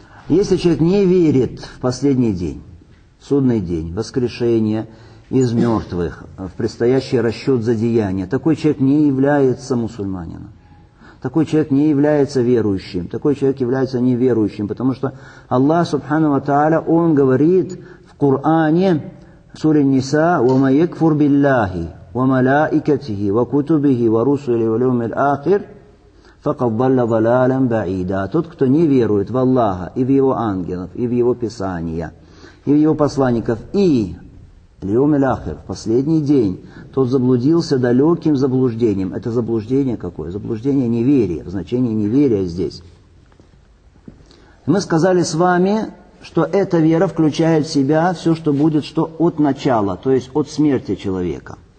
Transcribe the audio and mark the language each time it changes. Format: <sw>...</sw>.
<ru>Если человек не верит в последний день, судный день, воскрешение из мертвых, в предстоящий расчет за деяния, такой человек не является мусульманином. Такой человек не является верующим. Такой человек является неверующим, потому что Аллах, субхану ва тааля, он говорит в Коране, в суре Ниса, «Вама якфур билляхи».</ru> <ar>وملائكته وكتبه ورسله واليوم الآخر فقد ضل ضلالا بعيدا.</ar> <ru>Тот, кто не верует в Аллаха и в его ангелов, и в его писания, и в его посланников, и</ru> <ar>اليوم الآخر,</ar> <ru>последний день, тот заблудился далеким заблуждением. Это заблуждение какое? Заблуждение неверия. Значение неверия здесь. Мы сказали с вами, что эта вера включает в себя все, что будет, что от начала, то есть от смерти человека.</ru>